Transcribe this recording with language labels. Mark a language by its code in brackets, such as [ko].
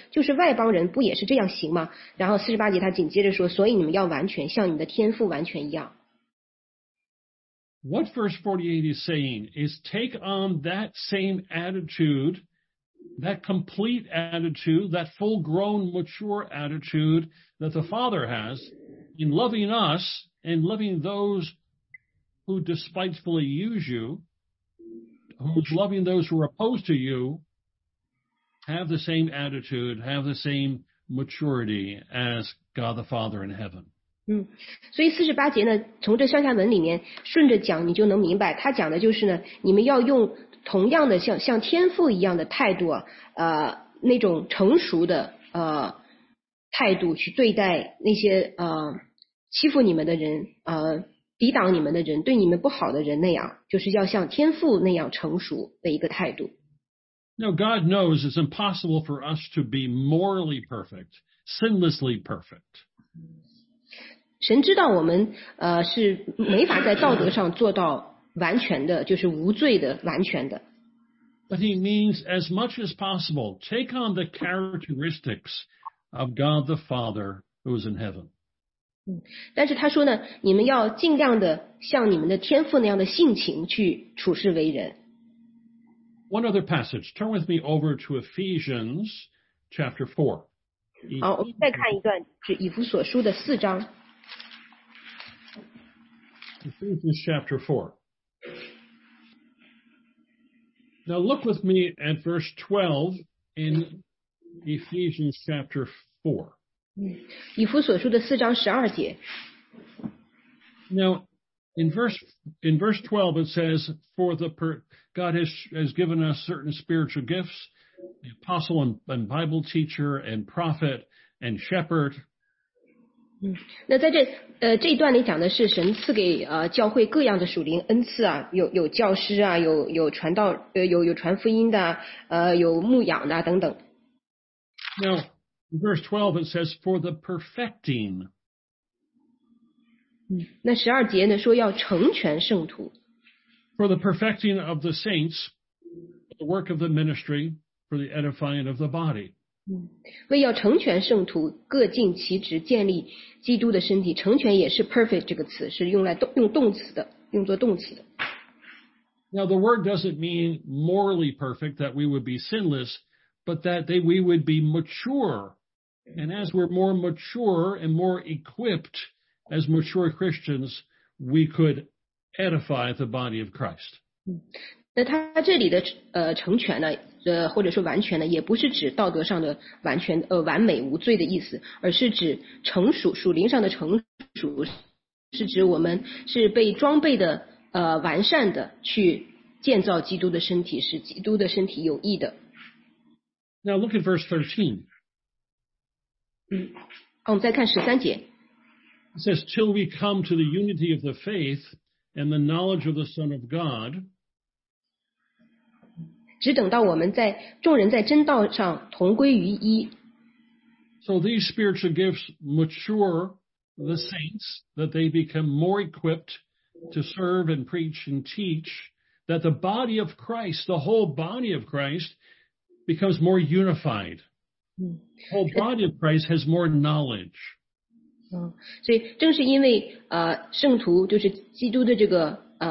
[zh] 就是外邦人不也是这样行吗？然后48节他紧接着说，所以你们要完全像你的天父完全一样。 [en] What verse 48 is saying is take on that same attitude, that complete attitude, that full-grown, mature attitude that the Father has in loving us and loving those who despitefully use you, who's loving those who are opposed to you, have the same attitude, have the same maturity as God the Father in heaven. [zh] 所以48节呢，从这上下文里面顺着讲，你就能明白，他讲的就是呢，你们要用同样的像天父一样的态度，那种成熟的态度去对待那些欺负你们的人，抵挡你们的人，对你们不好的人那样，就是要像天父那样成熟的一个态度。 [en] Now God knows it's impossible for us to be morally perfect, sinlessly perfect. [zh] 神知道我们是没法在道德上做到完全的，就是无罪的完全的。 [en] But he means as much as possible, take on the characteristics of God the Father who is in heaven. [zh] 但是他说呢，你们要尽量的像你们的天父那样的性情去处事为人。 [en] One other passage, turn with me over to Ephesians chapter 4. [zh] 好，我们再看一段，是以弗所书的四章。 [en] Ephesians chapter 4. Now look with me at verse 12 in Ephesians chapter 4. [zh] 以弗所书的四章十二节。 [en] Now, in verse 12 it says, For the God has given us certain spiritual gifts, the apostle and Bible teacher and prophet and shepherd. [zh] 那在这一段里讲的是神赐给教会各样的属灵恩赐啊，有教师啊，有传道，有传福音的，有牧养的等等。 [en] Now, in verse 12 it says for the perfecting. [zh] 那十二节呢说要成全圣徒。 [en] For the perfecting of the saints, the work of the ministry, for the edifying of the body. [zh] 为要成全圣徒，各尽其职，建立基督的身体。成全也是 perfect 这个词，是用作动词的。 [en] Now the word doesn't mean morally perfect that we would be sinless, but that we would be mature. And as we're more mature and more equipped as mature Christians, we could edify the body of Christ. [zh] 那他这里的成全呢，或者说完全呢，也不是指道德上的完全完美无罪的意思，而是指成熟，属灵上的成熟，是指我们是被装备的完善的，去建造基督的身体，使基督的身体有益的。 [en] Now look at verse 13. [zh] 我们再看十三节。 [en] It says, till we come to the unity of the faith and the knowledge of the Son of God. [zh] 只等到我们在众人在真道上同归于一。 [en] So these spiritual gifts mature the saints, that they become more equipped to serve and preach and teach, that the body of Christ, the whole body of Christ, becomes more unified. The whole body of Christ has more knowledge. [zh] 所以正是因为圣徒就是基督的这个